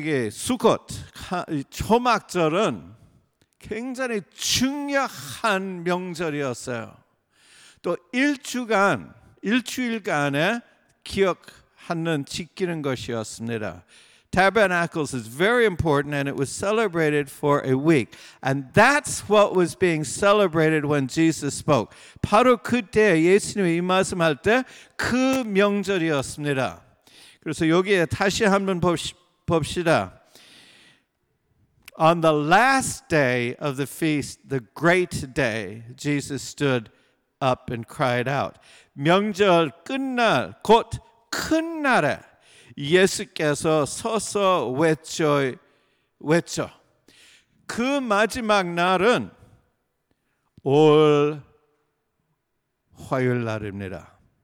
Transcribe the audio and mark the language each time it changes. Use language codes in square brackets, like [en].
[ko] 수컷, 초막절은 굉장히 중요한 명절이었어요. 또 일주일간에 기억하는, 지키는 것이었습니다. [en] Tabernacles is very important and it was celebrated for a week. And that's what was being celebrated when Jesus spoke. [ko] 바로 그때 예수님이 이 말씀할 때 그 명절이었습니다. 그래서 여기에 다시 한번 봅시다. [en] On the last day of the feast, the great day, Jesus stood up and cried out. [ko] 명절 끝날 곧 큰 날에 예수께서 서서 외쳐. 그 마지막 날은 올 화요일 날입니다.